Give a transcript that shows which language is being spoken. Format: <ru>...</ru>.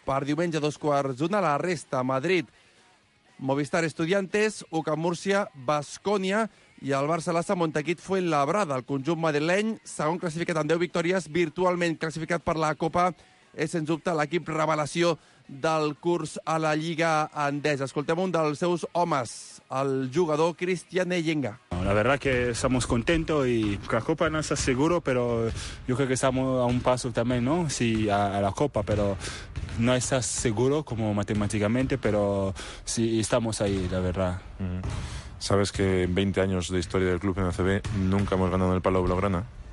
<ca>Per diumenge, 12:45, la resta, Madrid-Movistar-Estudiantes, UCAM-Múrcia-Baskonia, i el Barça-Lassa Montequit fue labrada. El conjunt madrileny, segon classificat amb 10 victòries, virtualment classificat per la Copa, és, sens dubte, l'equip revelació del curs a la Lliga Endesa. Escoltem un dels seus homes, el jugador Cristian Eyenga.</ca> <es>La verdad que estamos contentos y la Copa no está seguro, pero yo creo que estamos a un paso también, ¿no? Sí, a la Copa, pero no está seguro como matemáticamente, pero sí, estamos ahí, la verdad. ¿Sabes que en 20 años de historia del club en ACB nunca hemos ganado el Palau Blaugrana?</es>